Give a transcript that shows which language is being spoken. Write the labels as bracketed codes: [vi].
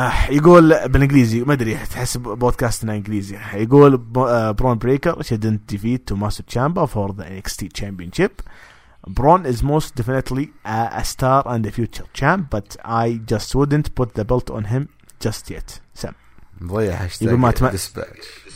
[ar] يقول بالانجليزي ما ادري تحس بودكاستنا انجليزي. [en] يقول Bron Breakker shouldn't defeat Tommaso Ciampa for the NXT championship. Braun is most definitely a star and a future champ, but I just wouldn't put the belt on him just yet. Sam. [ar] ضيع هاشتاج dispatch.